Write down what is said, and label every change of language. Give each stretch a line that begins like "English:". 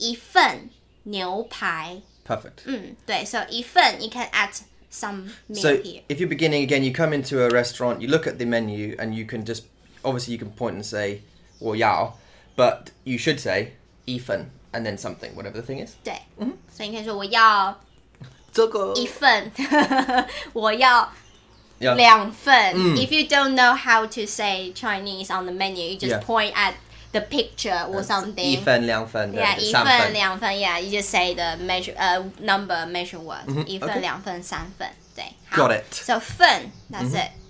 Chinese: 一份牛排.
English: Perfect. 对, so 一份, you can add some meal so here. If you're beginning again, you come into a restaurant, you look at the menu, and you can just, obviously you can point and say, 我要, but you should say, 一份, and then something, whatever the thing is.
Chinese: 对, mm-hmm. 所以你可以说,我要一份, 我要...
English: Yeah.
Chinese: 两份.Mm.
English: If you don't know how to say Chinese on the menu, you just point at the picture or something.
Chinese: 一份两份. Yeah, 一份两份.
English: Yeah, you just say the measure, number, measure word.
Chinese: 一份两份三份.
English: Got it. So 份, that's it.